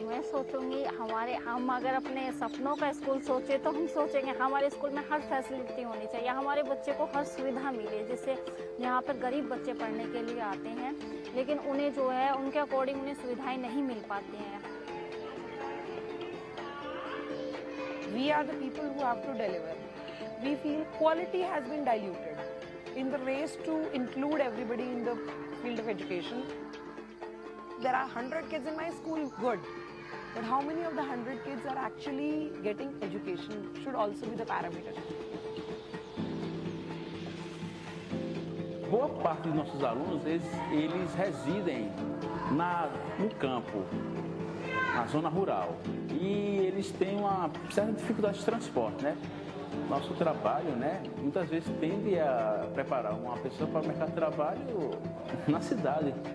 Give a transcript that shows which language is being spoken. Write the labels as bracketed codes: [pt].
[hi] सोचूंगी हमारे हम अगर अपने सपनों का स्कूल सोचे तो हम सोचेंगे हमारे स्कूल में हर फैसिलिटी होनी चाहिए, हमारे बच्चे को हर सुविधा मिले, जिससे यहाँ पर गरीब बच्चे पढ़ने के लिए आते हैं लेकिन उन्हें जो है उनके अकॉर्डिंग उन्हें सुविधाएं नहीं मिल पाती हैं. [en] We are the people who have to deliver. We feel quality has been diluted in the race to include everybody in the field of education. There are 100 kids in my school, good. But how many of the 100 kids are actually getting education should also be the parameter. [pt] Boa parte dos nossos alunos, eles residem no campo, na zona rural. E eles têm uma certa dificuldade de transporte, né? Nosso trabalho, né, muitas vezes tende a preparar uma pessoa para o mercado de trabalho na cidade.